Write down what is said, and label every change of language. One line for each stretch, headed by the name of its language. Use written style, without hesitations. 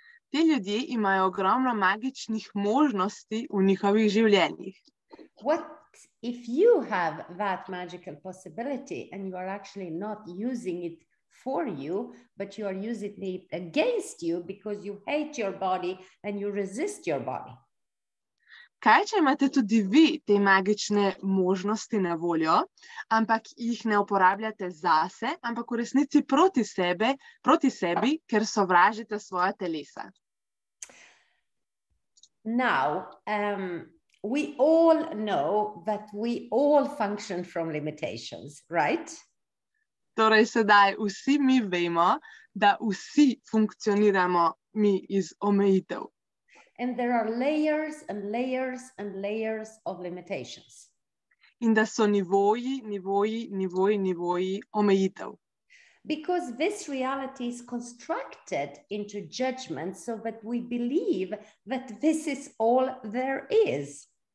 Slovenian: Ti ljudje imajo ogromno magičnih možnosti v njihovih življenjih.
English: What if you have that magical possibility and you are actually not using it for you, but you are using it against you because you hate your body and you resist your body?
Slovenian: Kaj, če imate tudi vi te magične možnosti na voljo, ampak jih ne uporabljate zase, ampak v resnici proti sebi, ker sovražite svoja telesa?
English: Now, we all know that we all function from limitations, right?
Slovenian: Torej, sedaj vsi mi vemo, da vsi funkcioniramo mi iz omejitev.
English: And there are layers and layers and layers of limitations.
Slovenian: In da so nivoji omejitev.
English: Because this reality is constructed into judgment so that we believe that this is all there is.